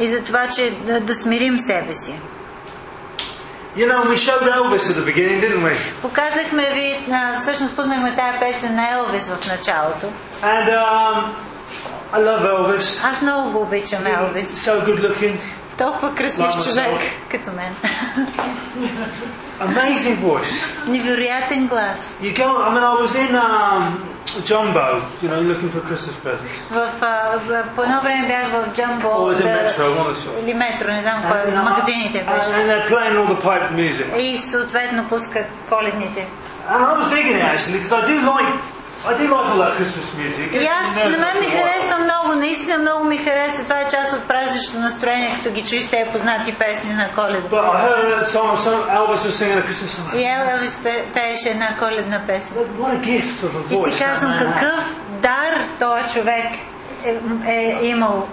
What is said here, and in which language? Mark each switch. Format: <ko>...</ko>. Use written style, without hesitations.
<bg>И за това, че да смирим себе си.</bg> <en>You know, we showed Elvis at the beginning, didn't we?</en> <bg>Показахме ви, всъщност познахме тая песен на Елвис в началото.</bg> <en>And I love Elvis.</en> <bg>Аз много го обичам Елвис.</bg> <en>So good looking.</en> <bg>Толкова красив човек като мен.</bg> <en>Amazing voice.</en> <bg>Невероятен глас.</bg> <en>You go, I mean, I was in Jumbo, you know, looking for Christmas presents.</en> <bg>По едно време бях в Jumbo.</bg> <en>Or was it Metro?</en> <bg>Или Metro, не знам кой, магазините беше.</bg> <en>And they're playing all the pipe music.</en> <bg>И съответно пускат коледните.</bg> <en>And I was digging it actually, because I do like all that Christmas music.</en> <bg>И аз, на мен ми хареса много, наистина много ми хареса. Това е част от празничното настроение, като ги чуиш тези познати песни на Коледа.</bg> <en>But I heard that song, Elvis was singing a Christmas song.</en> <bg>И Елвис пееше една коледна песен.</bg> <en>What a gift of a voice.</en> <bg>И си казвам, какъв дар този човек е имал.</bg>